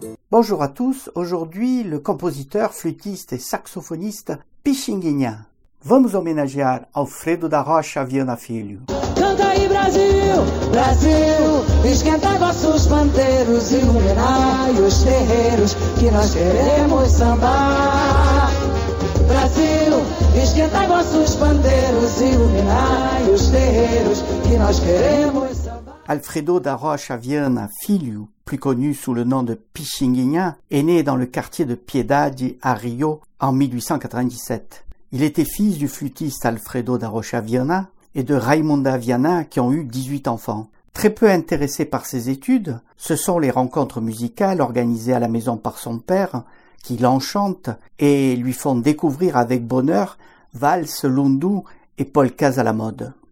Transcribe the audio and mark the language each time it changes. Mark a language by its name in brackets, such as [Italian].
[French] Bonjour à tous, aujourd'hui le compositeur, flûtiste et saxophoniste Pixinguinha. [Portuguese] Vamos homenagear Alfredo da Rocha Viana Filho. Canta aí Brasil, Brasil, esquenta vossos panteiros, iluminai os terreiros que nós queremos sambar. Brasil, esquenta vossos panteiros, iluminai os terreiros que nós queremos sambar. [French] Alfredo da Rocha Viana Filho, plus connu sous le nom de Pixinguinha, est né dans le quartier de Piedade, à Rio, en 1897. Il était fils du flûtiste Alfredo da Rocha Viana et de Raimunda Viana, qui ont eu 18 enfants. Très peu intéressé par ses études, ce sont les rencontres musicales organisées à la maison par son père qui l'enchantent et lui font découvrir avec bonheur valses, lundu et polkas à la mode.